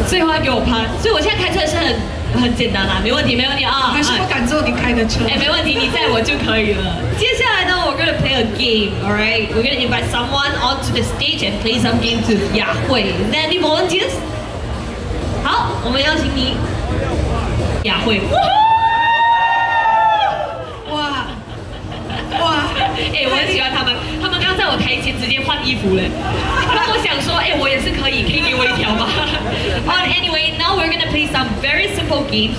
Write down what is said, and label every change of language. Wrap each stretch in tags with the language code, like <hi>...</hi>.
<zh>最后他给我 pass， 所以我现在开车是很简单啦，没问题，没问题啊。还是不敢坐你开的车？没问题，你载我就可以了。接下来呢，我</zh> <en>gonna play a game， alright？ We're gonna invite someone onto the stage and play some game to Yahui. Any volunteers？</en> <zh>好，我们邀请你 Yahui。哇！我很喜欢他们，他们刚在我台前直接换衣服嘞。我想说，我也是可以，可以给我一条吗？</zh> <en>But anyway, now we're gonna play some very simple games.</en>